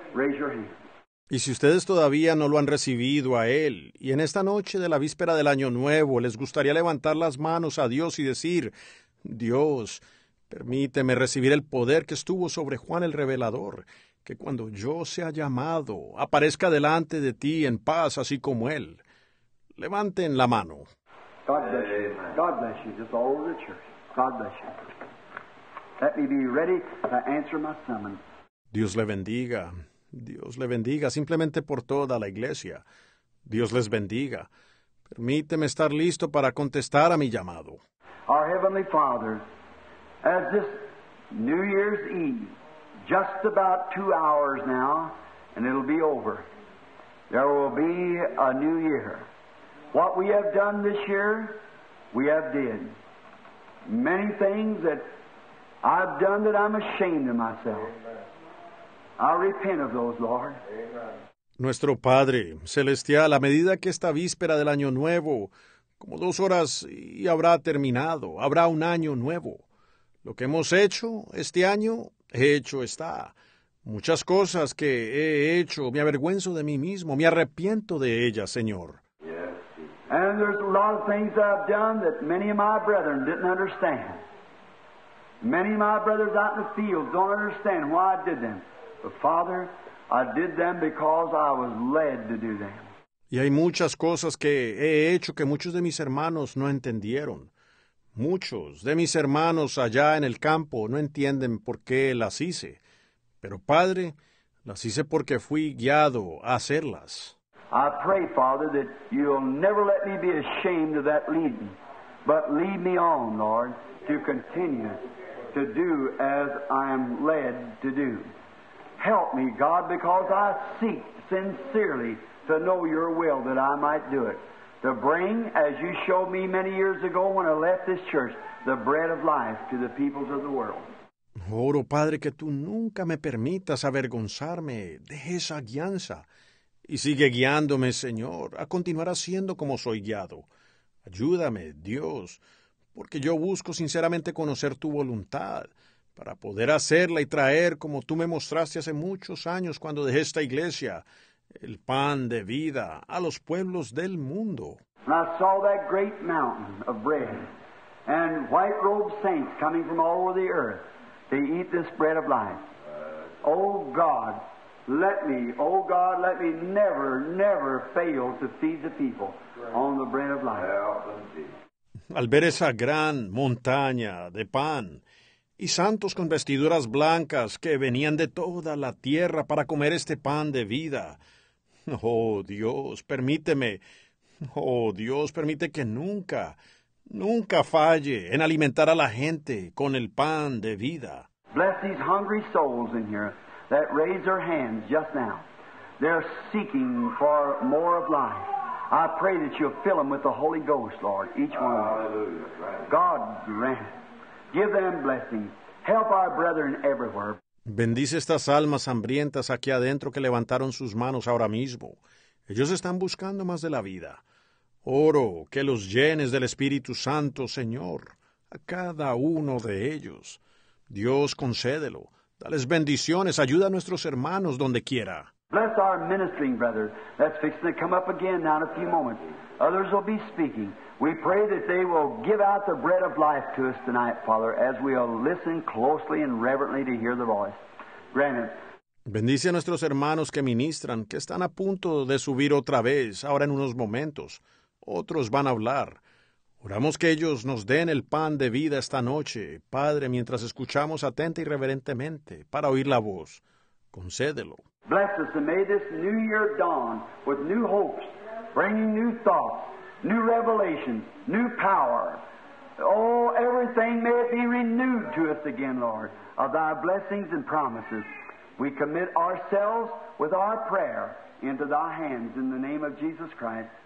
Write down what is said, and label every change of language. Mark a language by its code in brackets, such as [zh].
[en] Raise your hand. [es] Y si ustedes todavía no lo han recibido a Él, y en esta noche de la víspera del Año Nuevo les gustaría levantar las manos a Dios y decir, Dios, permíteme recibir el poder que estuvo sobre Juan el Revelador, que cuando yo sea llamado, aparezca delante de ti en paz, así como Él. Levanten la mano. [en] God bless you. God bless you. Just all over the church. God bless you. Let me be ready to answer my summons. [es] Dios le bendiga. Dios le bendiga, simplemente por toda la iglesia. Dios les bendiga. Permíteme estar listo para contestar a mi llamado. [en] Our Heavenly Father, as this New Year's Eve, just about 2 hours now, and it'll be over. There will be a new year. What we have done this year, we have did. Many things that I've done that I'm ashamed of myself. I repent of those, Lord. [es] Nuestro Padre Celestial, a medida que esta víspera del año nuevo, como dos horas y habrá terminado, habrá un año nuevo. Lo que hemos hecho este año, hecho está. Muchas cosas que he hecho, me avergüenzo de mí mismo, me arrepiento de ellas, Señor. [en] And there's a lot of things I've done that many of my brethren didn't understand. Many of my brothers out in the field don't understand why I did them. But Father, I did them because I was led to do them. [es] Y hay muchas cosas que he hecho que muchos de mis hermanos no entendieron. Muchos de mis hermanos allá en el campo no entienden por qué las hice. Pero, Padre, las hice porque fui guiado a hacerlas. [en] I pray, Father, that you'll never let me be ashamed of that leading, but lead me on, Lord, to continue to do as I am led to do. Help me, God, because I seek sincerely to know your will that I might do it. To bring, as you showed me many years ago when I left this church, the bread of life to the peoples of the world. [es] Oro, Padre, que tú nunca me permitas avergonzarme de esa guianza. Y sigue guiándome, Señor, a continuar haciendo como soy guiado. Ayúdame, Dios, porque yo busco sinceramente conocer tu voluntad para poder hacerla y traer, como tú me mostraste hace muchos años cuando dejé esta iglesia, el pan de vida a los pueblos del mundo. [en] I saw that great mountain of bread and white-robed saints coming from all over the earth to eat this bread of life. Oh, God, let me, oh God, let me never, never fail to feed the people on the bread of life. [es] Al ver esa gran montaña de pan y santos con vestiduras blancas que venían de toda la tierra para comer este pan de vida, oh Dios, permíteme, oh Dios, permite que nunca, nunca falle en alimentar a la gente con el pan de vida. [en] Bless these hungry souls in here that raise their hands just now. They're seeking for more of life. I pray that you'll fill them with the Holy Ghost, Lord, each one of them. God grant. Give them blessing. Help our brethren everywhere. [es] Bendice estas almas hambrientas aquí adentro que levantaron sus manos ahora mismo. Ellos están buscando más de la vida. Oro que los llenes del Espíritu Santo, Señor, a cada uno de ellos. Dios, concédelo. Dales bendiciones. Ayuda a nuestros hermanos donde quiera. [en] Bless our ministering brothers. That's fixing to come up again now in a few moments. Others will be speaking. We pray that they will give out the bread of life to us tonight, Father, as we'll listen closely and reverently to hear the voice. Grant it. [es] Bendice a nuestros hermanos que ministran, que están a punto de subir otra vez, ahora en unos momentos. Otros van a hablar. Oramos que ellos nos den el pan de vida esta noche, Padre, mientras escuchamos atenta y reverentemente para oír la voz. Concédelo. [en] Bless us and may this new year dawn with new hopes, bringing new thoughts, new revelations, new power. Oh, everything may it be renewed to us again, Lord, of thy blessings and promises. We commit ourselves with our prayer into thy hands in the name of Jesus Christ.